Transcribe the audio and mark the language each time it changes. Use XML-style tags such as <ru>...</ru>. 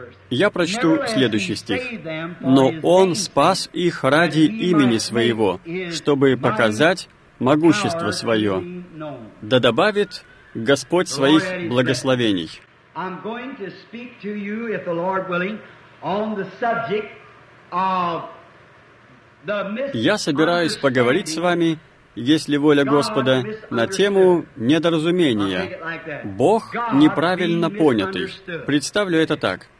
<ru>Я прочту следующий стих. «Но Он спас их ради имени Своего, чтобы показать могущество Свое, да добавит Господь Своих благословений».</ru> <en>I'm going to speak to you, if the Lord willing, on the subject of the misunderstanding.</en> <ru>Я собираюсь поговорить с вами, если воля Господа, на тему недоразумения. Бог неправильно понятый. Представлю это так.</ru>